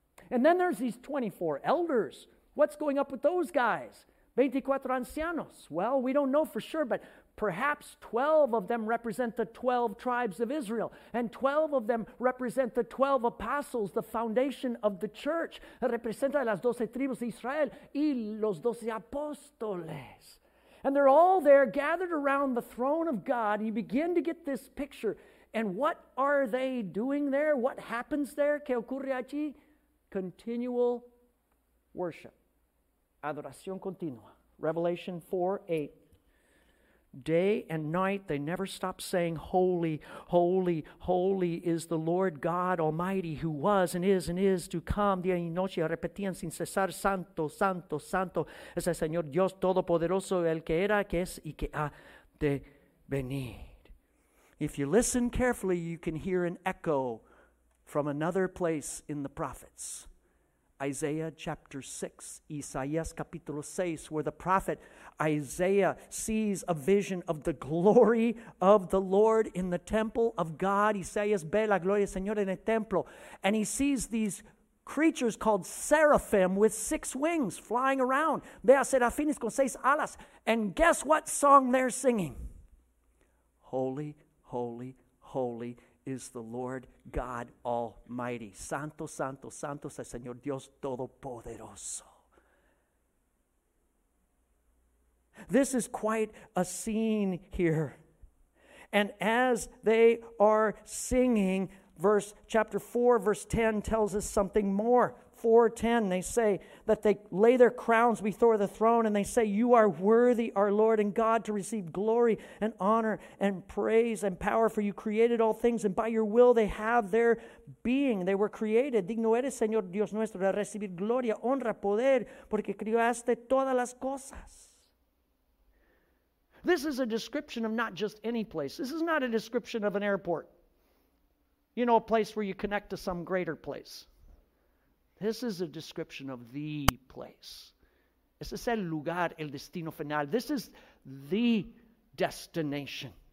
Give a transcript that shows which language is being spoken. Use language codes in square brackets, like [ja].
[en] And then there's these 24 elders. What's going up with those guys? [es] 24 ancianos. [en] Well, we don't know for sure, but perhaps 12 of them represent the 12 tribes of Israel, and 12 of them represent the 12 apostles, the foundation of the church. [es] Representa las 12 tribus de Israel y los 12 apóstoles. [en] And they're all there gathered around the throne of God. You begin to get this picture. And what are they doing there? What happens there? [es] ¿Qué ocurre allí? [en] Continual worship. [es] Adoración continua. Revelation 4:8. [en] Day and night they never stop saying, "Holy, holy, holy is the Lord God Almighty, who was and is to come." [es] Día y noche repetían sin cesar, "Santo, santo, santo es el Señor Dios Todopoderoso, el que era, que es y que ha de venir." [en] If you listen carefully, you can hear an echo from another place in the prophets. Isaiah chapter 6, [es] Isaías capítulo 6, [en] where the prophet Isaiah sees a vision of the glory of the Lord in the temple of God. [es] Isaías ve la gloria del Señor en el templo. [en] And he sees these creatures called seraphim with six wings flying around. [es] Ve a serafines con seis alas. [en] And guess what song they're singing? Holy, holy, holy is the Lord God Almighty. [es] Santo, santo, santo es el Señor Dios Todopoderoso. [en] This is quite a scene here. And as they are singing, verse chapter 4, verse 10 tells us something more. 4:10, they say that they lay their crowns before the throne and they say, "You are worthy, our Lord and God, to receive glory and honor and praise and power, for you created all things, and by your will they have their being." They were created. [es] Digno eres, Señor Dios nuestro, de recibir gloria, honra, poder, porque creaste todas las cosas. [en] This is a description of not just any place. This is not a description of an airport. You know, a place where you connect to some greater place. This is a description of the place. [es] Ese es el lugar, el destino final. [en] This is the destination.